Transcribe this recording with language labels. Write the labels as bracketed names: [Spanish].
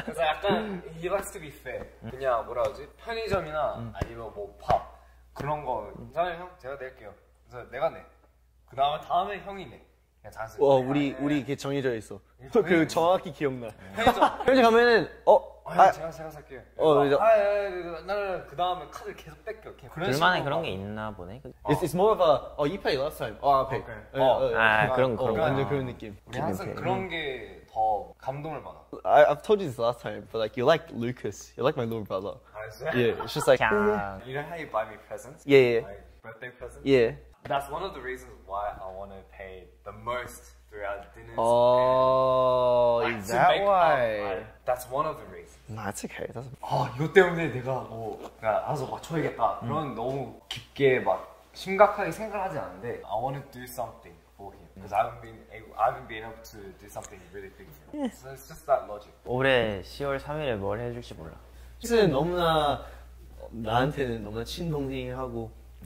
[Korean] 그래서 약간 [English] he likes to be fair [Korean] 그냥 뭐라 하지 편의점이나 아니면 뭐 밥 그런 거 괜찮아요 형 제가 낼게요 그래서 내가 내 그 다음에 형이 내 그냥 자연스럽게 와 우리 이렇게 정해져 있어 그 정확히 기억나 편의점 가면은 제가 살게요 그 다음에 카드 계속 뺏겨 둘만의 그런 게 있나 보네 [English] It's more of a Oh, you paid last time Oh, I paid okay. [Korean] 그런 완전 그런 느낌 우리 항상 okay. 그런 게 더 감동을 받아 [English] I've told you this last time But like, you like Lucas You like my little brother Oh, is it? Yeah, it's just like You know how you buy me presents? Yeah, yeah Like, birthday presents? Yeah That's one of the reasons why I want to pay the most Oh, is that why? That's one of the reasons. Nah, it's okay. That's. [Korean] 아 이거 때문에 내가 뭐 내가 알아서 맞춰야겠다 그런 너무 깊게 막 심각하게 생각하지 않는데 [English] I want to do something for him. Because I haven't been able to do something really big yet. So it's just that logic. [Korean] 올해 10월 3일에 뭘 해줄지 몰라. 진짜 너무나 나한테는 너무나 친동생이라고.